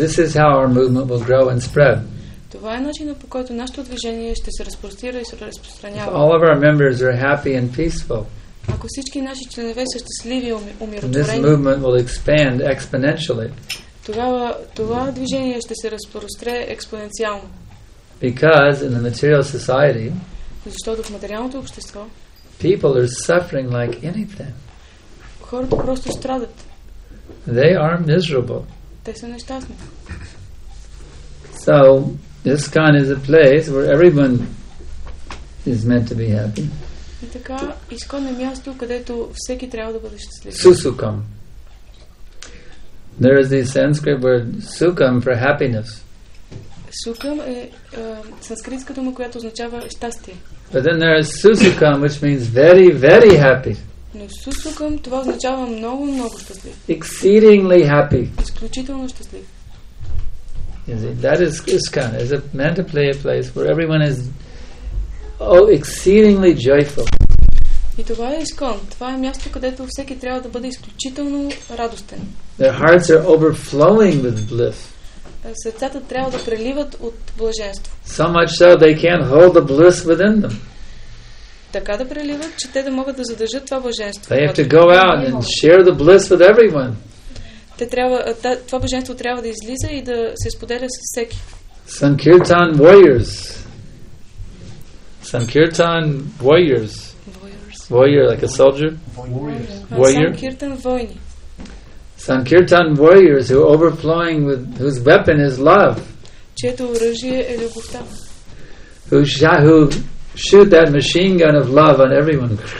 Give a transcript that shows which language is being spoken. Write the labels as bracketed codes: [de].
[en] This is how our movement will grow and spread. [bg] Това е начинът, по който нашето движение ще се разпростира и се разпространява. [en] All of our members are happy and peaceful. [bg] Ако всички наши членове са щастливи и умиротворени, [en] this movement will expand exponentially. [bg] Тогава това движение ще се разпростре експоненциално. [en] Because in the material society, [bg] защото в материалното общество, [en] people are suffering like anything. [bg] Хората просто страдат. [en] They are miserable. [bg] Те са нещастни. [en] So ISKCON is a place where everyone is meant to be happy. [bg] И така, ISKCON е място, където всеки трябва да бъде щастлив. [sa] Susukam. [en] There is the Sanskrit word sukam for happiness. [bg] Sukam е санскритска дума, която означава щастие. [en] But then there is susukam, which means very, very happy. [bg] Но susukam, това означава много, много щастлив. [en] Exceedingly happy. [bg] Изключително щастлив. [en] Is it? That is ISKCON. Is it meant to play a place where everyone is oh exceedingly joyful? [bg] И това е ISKCON. Това е място, където всеки трябва да бъде изключително радостен. [en] Their hearts are overflowing with bliss. [bg] Сърцата трябва да преливат от блаженство. [en] So much so they can't hold the bliss within them. [bg] Така да преливат, че те да могат да задържат това блаженство. [en] They have to go out and share the bliss with everyone. [bg] Това блаженство трябва да излиза и да се споделя с всеки. [en] Sankirtan warriors. Sankirtan warriors. Warrior, like a soldier. Warriors. [bg] Sankirtan войни. [en] Sankirtan warriors who are overflowing with, whose weapon is love. [bg] Чието оръжие е любовта. [en] Who shoot that machine gun of love on everyone.